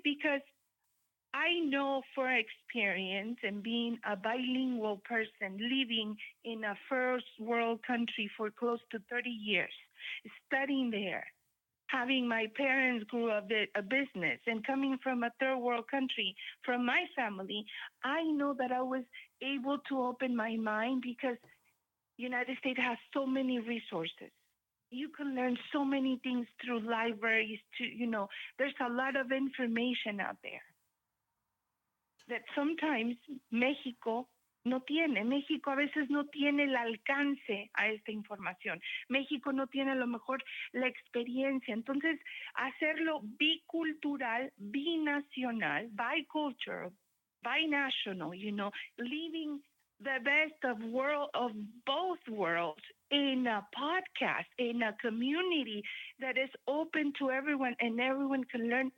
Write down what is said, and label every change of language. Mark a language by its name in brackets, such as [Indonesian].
[English] Because I know for experience and being a bilingual person living in a first world country for close to 30 years, studying there, having my parents grew up a business and coming from a third world country, from my family, I know that I was able to open my mind because the United States has so many resources. You can learn so many things through libraries, there's a lot of information out there that sometimes [Spanish] Mexico no tiene. México a veces no tiene el alcance a esta información. México no tiene a lo mejor la experiencia. Entonces, hacerlo bicultural, binacional, bicultural, [English] binational, leaving the best of world of both worlds in a podcast, in a community that is open to everyone and everyone can learn.